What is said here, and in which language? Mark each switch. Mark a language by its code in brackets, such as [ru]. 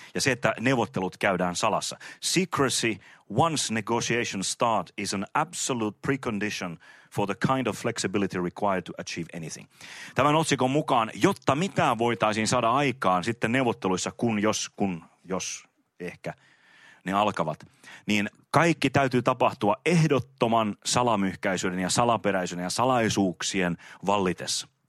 [fi] Ja se, että neuvottelut käydään salassa. [en] Secrecy, once negotiation start, is an absolute precondition for the kind of flexibility required to achieve anything. [fi] Tämän otsikon mukaan, jotta mitään voitaisiin saada aikaan sitten neuvotteluissa, kun jos ehkä ne alkavat, niin kaikki täytyy tapahtua ehdottoman salamyhkäisyyden ja salaperäisyyden ja salaisuuksien vallitessa.